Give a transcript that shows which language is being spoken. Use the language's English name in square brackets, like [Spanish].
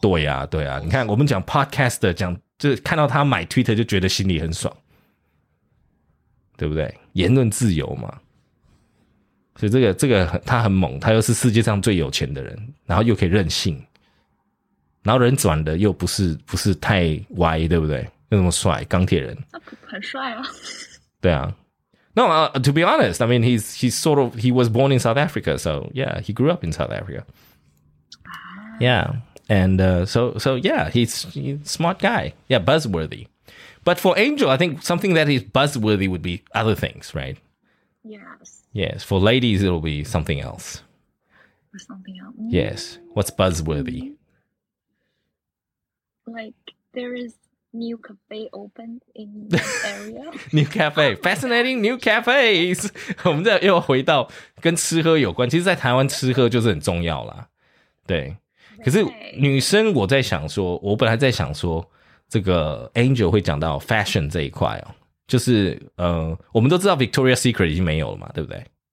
[Chinese] 对呀、啊，对呀、啊，你看我们讲 podcast 的讲，就看到他买 Twitter 就觉得心里很爽，对不对？言论自由嘛，所以这个他很猛，他又是世界上最有钱的人，然后又可以任性，然后人转的又不是太歪，对不对？又那么帅，钢铁人，很帅啊。对啊。 [English] No, to be honest, I mean, he was born in South Africa, so yeah, he grew up in South Africa. Yeah, and so yeah, he's a smart guy. Yeah, buzzworthy. But for Angel, I think something that is buzzworthy would be other things, right? Yes. Yes, for ladies, it'll be something else. Something else. Yes, what's buzzworthy? Like, new cafe opened in the area. New cafe. Fascinating new cafes. [Chinese] 我们再又回到跟吃喝有关。其实在台湾吃喝就是很重要啦。对。可是女生我在想说，我本来在想说这个 Angel 会讲到 fashion 这一块哦。就是我们都知道 Victoria's Secret 已经没有了嘛，对不对？